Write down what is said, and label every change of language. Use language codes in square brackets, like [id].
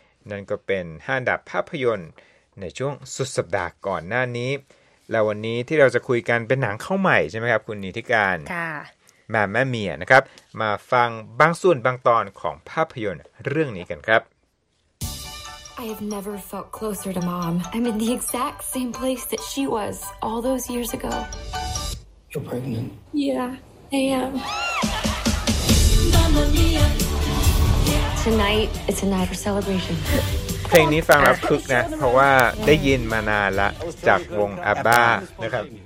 [th] นั่นก็เป็น5อันดับภาพยนตร์ในช่วงสุดสัปดาห์ก่อนหน้านี้แล้ววันนี้ที่เราจะคุยกันเป็นหนังเข้าใหม่ใช่ไหมครับคุณนิธิการ ค่ ะ แม่เมียนะครับมาฟังบางส่วนบางตอนของภาพยนตร์เรื่องนี้กันครับ [en] I have never felt closer to mom. I'm in the exact same place that she was all those years ago. You're pregnant? Yeah, I am. Mamma mia. Tonight it's a night for celebration. [th] เพลงนี้ฟังแล้วคึกนะเพราะว่าได้ยินมานานละจากวงอาบ้านะครับ